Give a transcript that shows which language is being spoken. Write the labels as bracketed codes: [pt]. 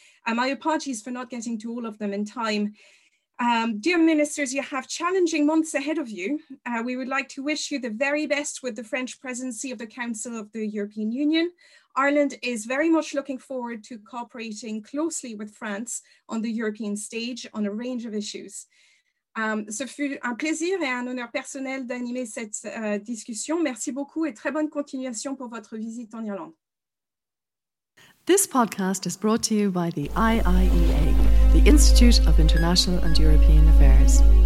[en] My apologies for not getting to all of them in time. Dear ministers, you have challenging months ahead of you. We would like to wish you the very best with the French presidency of the Council of the European Union. Ireland is very much looking forward to cooperating closely with France on the European stage on a range of issues. [fr] Ce fut un plaisir et un honneur personnel d'animer cette discussion. Merci beaucoup et très bonne continuation pour votre visite en Irlande. [en] This podcast is brought to you by the IIEA, the Institute of International and European Affairs.